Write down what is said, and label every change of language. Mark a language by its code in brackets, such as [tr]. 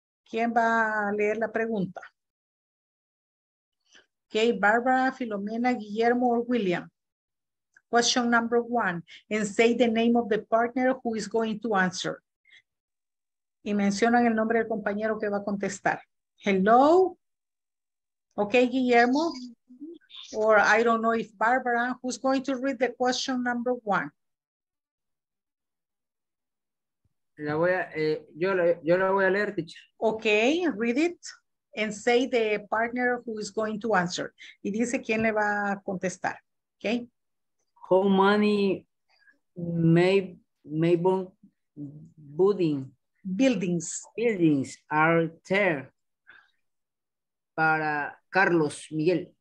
[es] ¿Quién va a leer la pregunta? [en] Okay, Barbara, Filomena, Guillermo, or William. Question number one. And say the name of the partner who is going to answer. [es] Y mencionan el nombre del compañero que va a contestar. [en] Hello. Okay, Guillermo. Or I don't know if Barbara, who's going to read the question number one? [es] La voy a, yo la voy a leer, teacher. [en] Okay, read it and say the partner who is going to answer. [es] Y dice quién le va a contestar, okay? [en] How many maple building buildings. Buildings are there [es] para [en] Carlos Miguel?